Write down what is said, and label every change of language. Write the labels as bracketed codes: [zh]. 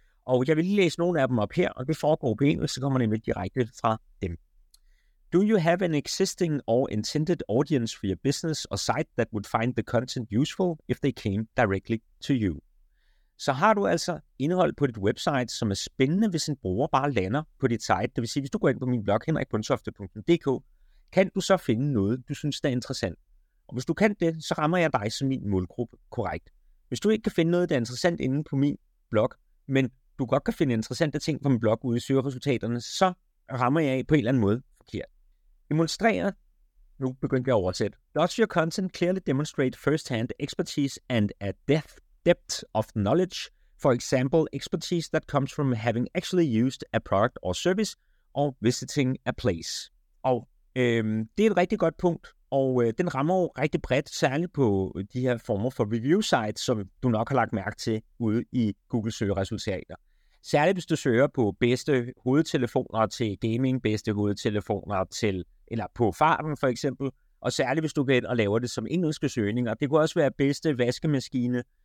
[da] Og jeg vil lige læse nogle af dem op her, og det foregår på engelsk, så kommer nemlig direkte fra dem. [en] Do you have an existing or intended audience for your business or site that would find the content useful if they came directly to you? [da] Så har du altså indhold på dit website, som er spændende, hvis en bruger bare lander på dit site. Det vil sige, hvis du går ind på min blog, henrikbundtofte.dk, kan du så finde noget, du synes er interessant. Og hvis du kan det, så rammer jeg dig som min målgruppe korrekt. Hvis du ikke kan finde noget, der er interessant inde på min blog, men du godt kan finde interessante ting på min blog ude i søgeresultaterne, så rammer jeg på en eller anden måde forkert. Demonstrere, nu begyndte jeg at oversætte. [en] Does your content clearly demonstrate first-hand expertise and a depth of knowledge? For example, expertise that comes from having actually used a product or service or visiting a place. [da] Og det er et rigtig godt punkt, og den rammer jo rigtig bredt, særligt på de her former for review sites, som du nok har lagt mærke til ude i Google søgeresultater. Særligt hvis du søger på bedste hovedtelefoner til gaming, bedste hovedtelefoner til, eller på farven for eksempel, og særligt hvis du går ind og laver det som engelske søgninger, det kunne også være bedste vaskemaskine